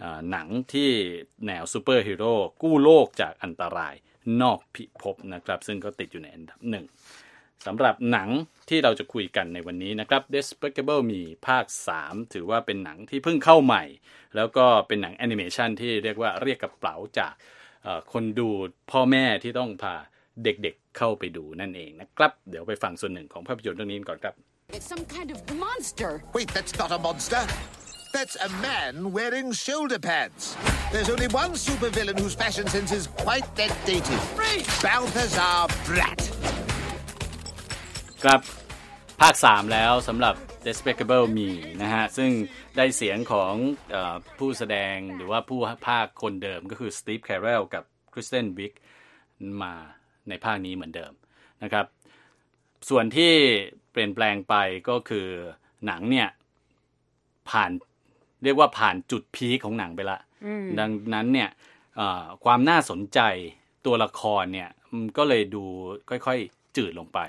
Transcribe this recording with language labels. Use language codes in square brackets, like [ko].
[th] หนังที่แนวซูเปอร์ฮีโร่กู้โลกจากอันตรายนอกพิภพนะครับซึ่งก็ติดอยู่ในอันดับ1สำหรับหนังที่เราจะคุยกันในวันนี้นะครับ Despicable Me ภาค3ถือว่าเป็นหนังที่เพิ่งเข้าใหม่แล้วก็เป็นหนังแอนิเมชันที่เรียกว่าเรียกกระเป๋าจากคนดูพ่อแม่ที่ต้องพาเด็กๆ เข้าไปดูนั่นเองนะครับเดี๋ยวไปฟังส่วนหนึ่งของภาพยนตร์เรื่องนี้ก่อนครับ [en] It's some kind of monster. Wait, that's not a monster. That's a man wearing shoulder pads. There's only one supervillain whose fashion sense is quite that dated. [th] Balthazar Brat.ครับภาค3แล้วสำหรับ Despicable Me นะฮะซึ่งได้เสียงของผู้แสดงหรือว่าผู้ภาคคนเดิมก็คือ Steve Carell กับ Kristen Wiig มาในภาคนี้เหมือนเดิมนะครับส่วนที่เปลี่ยนแปลงไปก็คือหนังเนี่ยผ่านเรียกว่าผ่านจุดพีคของหนังไปละดังนั้นเนี่ยความน่าสนใจตัวละครเนี่ยก็เลยดูค่อยๆจืดลงไป